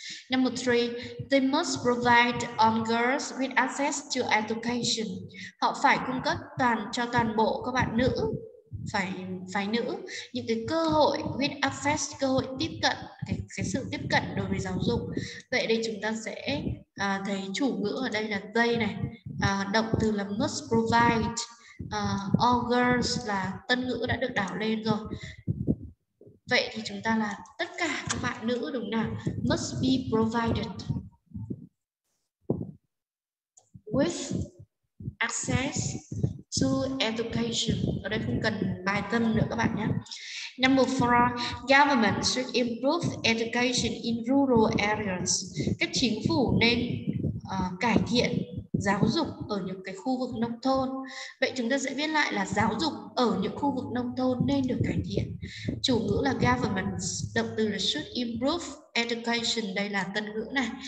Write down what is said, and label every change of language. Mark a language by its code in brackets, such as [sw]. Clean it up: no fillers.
[en] Number 3, they must provide all girls with access to education. [vi] Họ phải cung cấp cho toàn bộ các bạn nữ, phái nữ những cái cơ hội [en] with access, [vi] cơ hội tiếp cận, cái sự tiếp cận đối với giáo dục. Vậy đây chúng ta sẽ thấy chủ ngữ ở đây là they này, động từ là must provide, all girls là tân ngữ đã được đảo lên rồi. Vậy thì chúng ta là tất cả các bạn nữ, đúng nào, [en] must be provided with access to education. [vi] Ở đây không cần bài tâm nữa các bạn nhé. [en] Number 4, government should improve education in rural areas. [vi] Các chính phủ nên cải thiện giáo dục ở những cái khu vực nông thôn. Vậy chúng ta sẽ viết lại là giáo dục ở những khu vực nông thôn nên được cải thiện. Chủ ngữ là government, động từ là [en] should improve education, [vi] đây là tân ngữ này.